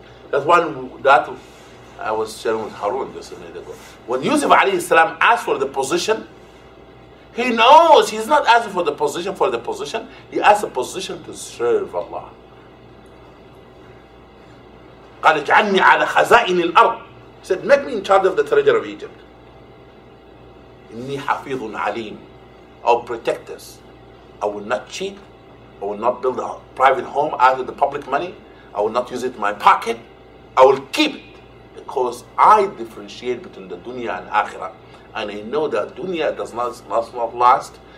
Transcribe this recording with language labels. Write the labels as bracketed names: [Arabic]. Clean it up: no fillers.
[English] That's one that I was sharing with Harun just a minute ago. When Yusuf alayhi salam asked for the position, he knows he's not asking for the position for the position. He asked a position to serve Allah. [Arabic] قال اجعلني على خزائن الأرض. [English] He said, make me in charge of the treasure of Egypt. [Arabic] إني حفيظ عليم. [English] I'll protect this. I will not cheat. I will not build a private home out of the public money. I will not use it in my pocket. I will keep it. Because I differentiate between the dunya and akhirah. And I know that dunya does not last.